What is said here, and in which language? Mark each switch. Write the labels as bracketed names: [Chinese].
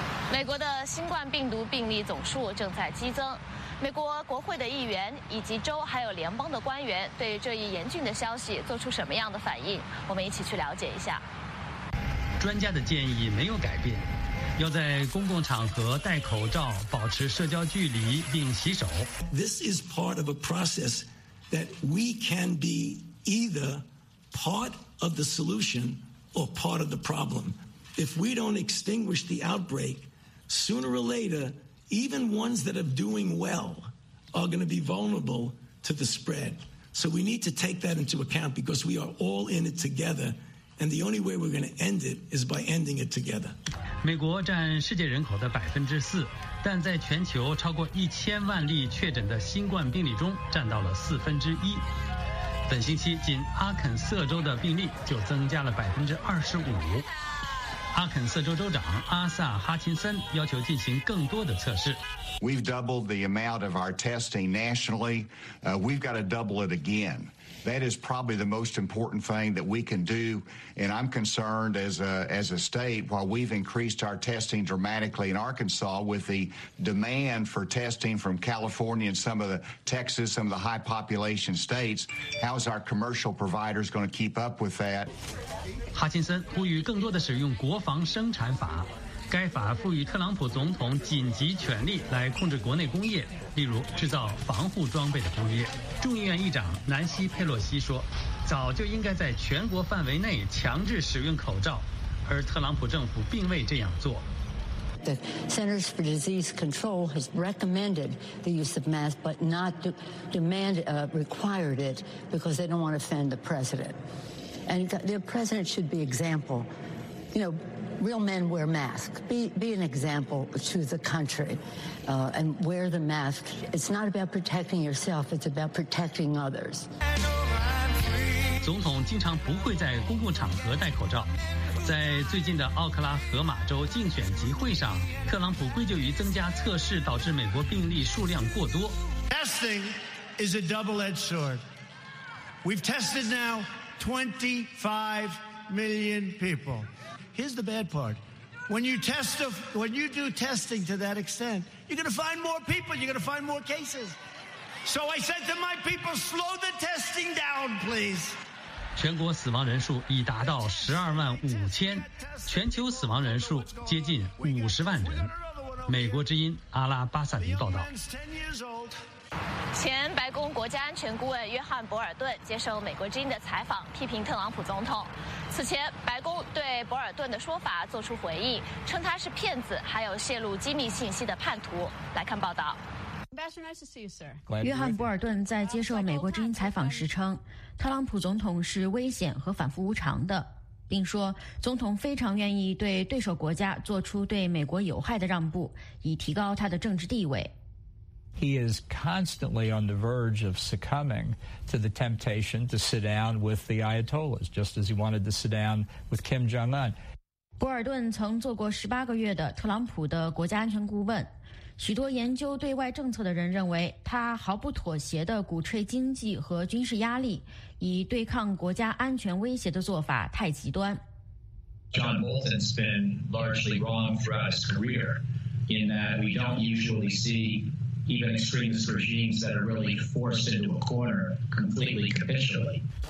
[Chinese] 美国的新冠病毒病例总数正在激增，美国国会的议员以及州还有联邦的官员对这一严峻的消息做出什么样的反应，我们一起去了解一下。专家的建议没有改变，要在公共场合戴口罩，保持社交距离，并洗手。 [English] This is part of a process that we can be either part of the solution or part of the problem. If we don't extinguish the outbreak, sooner or later, even ones that are doing well are going to be vulnerable to the spread. So we need to take that into account because we are all in it together. And the only way we're going to end it is by ending it together. [Chinese] 美国占世界人口的4%，但在全球超过10,000例确诊的新冠病例中，占到了1/4。本星期，仅阿肯色州的病例就增加了25%。阿肯色州州长阿萨·哈钦森要求进行更多的测试。 [English] We've doubled the amount of our testing nationally. We've got to double it again. That is probably the most important thing that we can do. And I'm concerned as a state, while we've increased our testing dramatically in Arkansas with the demand for testing from California and some of the Texas, some of the high population states, how is our commercial providers going to keep up with that? [Chinese] 哈钦森呼吁更多的使用国防生产法。该法赋予特朗普总统紧急权力来控制国内工业，例如制造防护装备的工业。众议院议长南希·佩洛西说，早就应该在全国范围内强制使用口罩，而特朗普政府并未这样做。 [English] The Centers for Disease Control has recommended the use of masks, but not demand, required it because they don't want to offend the president. And the president should be example. You know,Real men wear masks. Be an example to the country, and wear the mask. It's not about protecting yourself. It's about protecting others. [Chinese] 总统经常不会在公共场合戴口罩。在最近的奥克拉荷马州竞选集会上，特朗普归咎于增加测试导致美国病例数量过多。 [English] Testing is a double-edged sword. We've tested now 25 million people. Here's the bad part. When you do testing to that extent, you're going to find more people. You're going to find more cases. So I said to my people, slow the testing down, please. [Chinese] 全国死亡人数已达到125,000，全球死亡人数接近500,000人。美国之音阿拉巴萨迪报道。前白宫国家安全顾问约翰·博尔顿接受美国之音的采访，批评特朗普总统。此前，白宫对博尔顿的说法作出回应，称他是骗子，还有泄露机密信息的叛徒。来看报道。约翰·博尔顿在接受美国之音采访时称，特朗普总统是危险和反复无常的，并说总统非常愿意对对手国家做出对美国有害的让步，以提高他的政治地位。 [English] He is constantly on the verge of succumbing to the temptation to sit down with the Ayatollahs, just as he wanted to sit down with Kim Jong-un. [Chinese] 博尔顿曾做过18个月的特朗普的国家安全顾问。许多研究对外政策的人认为，他毫不妥协地鼓吹经济和军事压力，以对抗国家安全威胁的做法太极端。 [English] John Bolton's been largely wrong throughout his career in that we don't usually see. Even extremist regimes that are really forced into a corner completely capitulate.